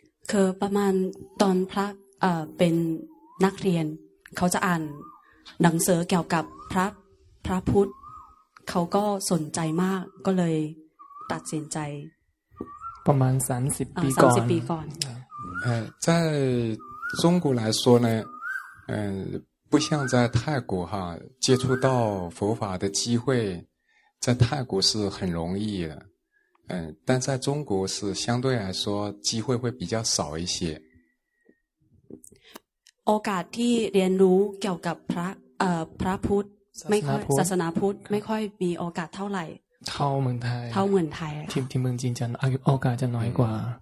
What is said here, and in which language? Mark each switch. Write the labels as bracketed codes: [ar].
[th] คือประมาณตอนพระเป็นนักเรียนเขาจะอ่านหนังสือเกี่ยวกับพระพุทธเขาก็สนใจมากก็เลยตัดสินใจ ประมาณ30ปีก่อน 30ปีก่อน [zh] 在中国来说呢不像在泰国哈接触到佛法的机会在泰国是很容易的但在中国是相对来说机会会比较少一些 [th] โอกาสที่เรียนรู้เกี่ยวกับพระพระพุทธไม่ค่อยศาสนาพุทธไม่ค่อยมีโอกาสเท่าไหร่ เท่าเมืองไทย เท่าเมืองไทย ที่เมืองจีนจะโอกาสจะน้อยกว่า